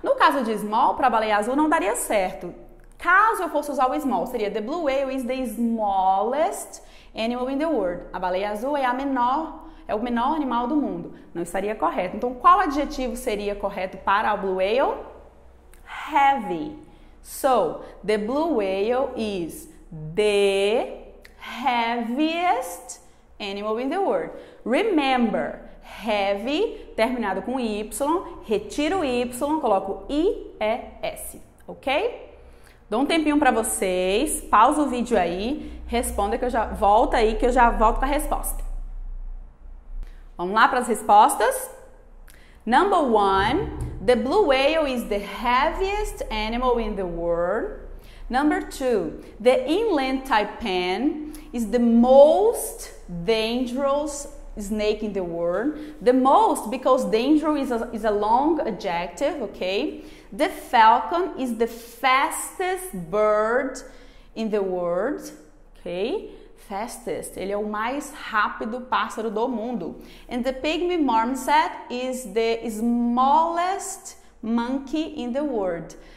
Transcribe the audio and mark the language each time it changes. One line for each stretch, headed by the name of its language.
Portuguese: No caso de small, para baleia azul, não daria certo. Caso eu fosse usar o small, seria
English: the blue whale is the smallest animal in the world.
Portuguese: A baleia azul é o menor animal do mundo. Não estaria correto. Então, qual adjetivo seria correto para o blue whale?
English: Heavy. So, the blue whale is the heaviest animal in the world.
Portuguese: Remember, heavy, terminado com Y, retiro Y, coloco I, E, S. Ok? Dou um tempinho para vocês, pausa o vídeo aí, responda que eu já volto com a resposta. Vamos lá para as respostas.
English: Number one, the blue whale is the heaviest animal in the world. Number two, the inland taipan is the most dangerous snake in the world. The most, because dangerous is a long adjective, okay? The falcon is the fastest bird in the world, okay?
Portuguese: Fastest, ele é o mais rápido pássaro do mundo.
English: And the pygmy marmoset is the smallest monkey in the world.